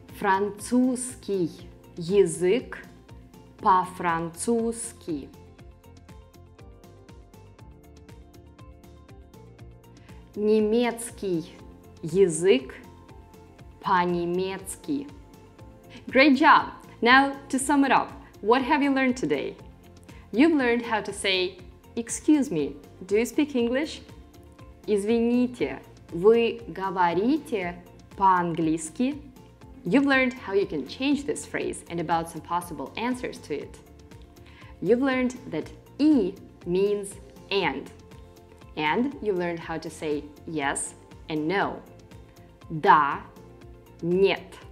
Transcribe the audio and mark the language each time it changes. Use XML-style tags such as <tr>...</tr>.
<ru>Французский язык по-французски. Немецкий язык по-немецки.</ru> <en>Great job! Now, to sum it up, what have you learned today? You've learned how to say, excuse me, do you speak English?</en> <ru>Извините, вы говорите по-английски?</ru> <en>You've learned how you can change this phrase and about some possible answers to it. You've learned that и means and. And you've learned how to say yes and no.</en> <ru>Да, нет.</ru>